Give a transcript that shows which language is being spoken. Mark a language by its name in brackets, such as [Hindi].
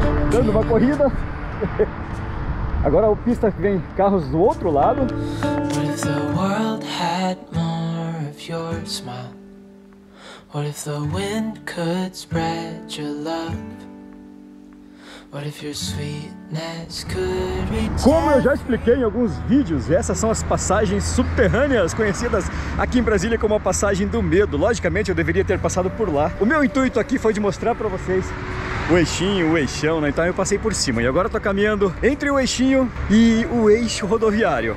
[Portuguese] Dando uma corrida. Agora a pista vem carros do outro lado. [English] What if the world had more of your smile? What if the wind could spread your love? What if your sweetness could reach... [Portuguese] Como eu já expliquei em alguns vídeos, essas são as passagens subterrâneas, conhecidas aqui em Brasília como a passagem do medo. Logicamente, eu deveria ter passado por lá. O meu intuito aqui foi de mostrar para vocês o eixinho, o eixão, né? Então eu passei por cima e agora eu tô caminhando entre o eixinho e o eixo rodoviário.